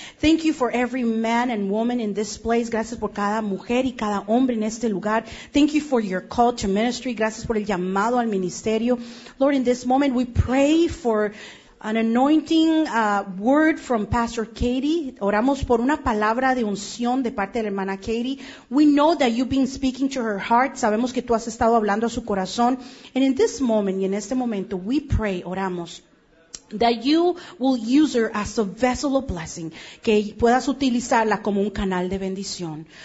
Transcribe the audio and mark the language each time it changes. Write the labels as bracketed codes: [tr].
[en] Thank you for every man and woman in this place. [es] Gracias por cada mujer y cada hombre en este lugar. [en] Thank you for your call to ministry. [es] Gracias por el llamado al ministerio. [en] Lord, in this moment we pray for an anointing word from Pastor Katie. [es] Oramos por una palabra de unción de parte de la hermana Katie. [en] We know that you've been speaking to her heart. [es] Sabemos que tú has estado hablando a su corazón. [en] And in this moment, [es] y en este momento, [en] we pray, [es] oramos, [en] that you will use her as a vessel of blessing. [es] Que puedas utilizarla como un canal de bendición.